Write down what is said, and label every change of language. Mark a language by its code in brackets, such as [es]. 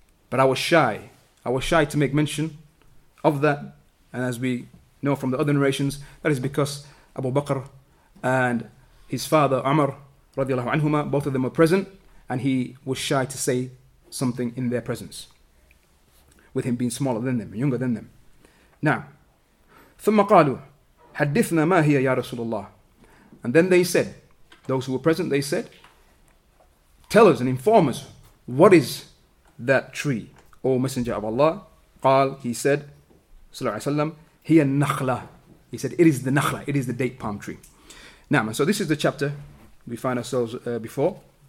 [en] But I was shy to make mention of that. And as we know from the other narrations, that is because Abu Bakr and his father Umar رضي الله عنهما, both of them were present, and he was shy to say something in their presence, with him being smaller than them, younger than them. [ar] Now, ثم قالوا حدثنا ما هي يا رسول الله. [en] And then they said, those who were present, they said, tell us and inform us, what is that tree, O Messenger of Allah? [ar] قال, [en] he said, [ar] صلى الله عليه وسلم, هي النخلة. [en] He said, it is the نخلة, it is the date palm tree. Now, so this is the chapter we find ourselves before.